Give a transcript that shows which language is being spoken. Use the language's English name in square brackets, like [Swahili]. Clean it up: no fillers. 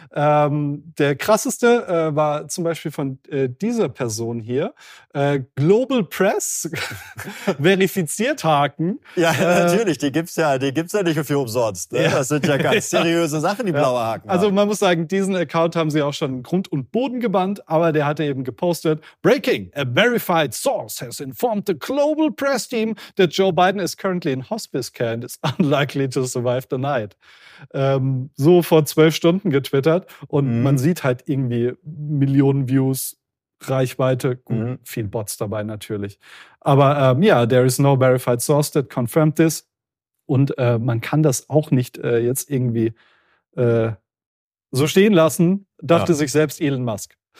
[German] Der krasseste war zum Beispiel von dieser Person hier. Global Press verifiziert Haken. Ja, natürlich. Die gibt's ja nicht für umsonst. Ne? Ja. Das sind ja ganz seriöse Sachen, die blaue Haken. Also man muss sagen, diesen Account haben sie auch schon Grund und Boden gebannt, aber der hatte eben gepostet. [English] Breaking, a verified source has informed the Global Press team that Joe Biden is currently in hospice care and is unlikely to survive the night. [German] So vor 12 Stunden getwittert und man sieht halt irgendwie Millionen Views, Reichweite, viel Bots dabei natürlich. Aber ja, [English] there is no verified source that confirmed this [German] und man kann das auch nicht jetzt irgendwie so stehen lassen, dachte sich selbst Elon Musk.